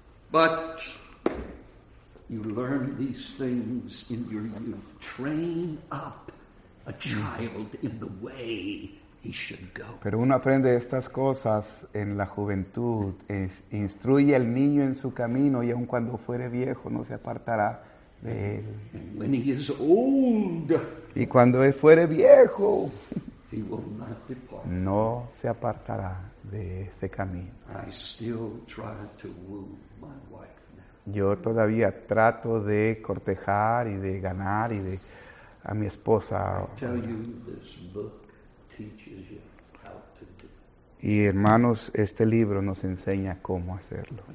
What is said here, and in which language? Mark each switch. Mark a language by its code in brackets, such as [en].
[en] But you learn these things in your youth. Train up a child in the way he should go. [es] Pero uno aprende estas cosas en la juventud. Instruye al niño en su camino y aun cuando fuere viejo no se apartará. [en] And when he is old, [es] y cuando fuere viejo, [en] he will not depart. [es] No se apartará de ese camino. [en] I still try to woo my wife now. [es] Yo todavía trato de cortejar y de ganar y de a mi esposa. [en] I tell you, this book teaches you how to do. [es] Y hermanos, este libro nos enseña cómo hacerlo.